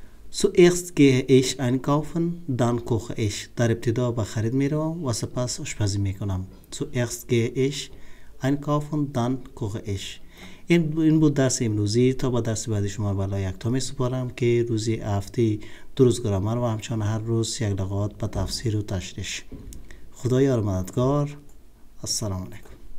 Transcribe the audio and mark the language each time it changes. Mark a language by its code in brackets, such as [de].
[de] Zuerst gehe ich einkaufen, dann koche ich. [fa] در ابتدا به خرید میروم و سپس آشپزی میکنم. [de] Zuerst gehe ich einkaufen, dann koche ich. [fa] این بود درس امروزی. تا با درس بعدی شما بالا یکتا می سپارم که روزی هفته دو روز گرامر و همچنان هر روز یک لغات به تفسیر و تشریح. خدا یار مددگار. السلام علیکم.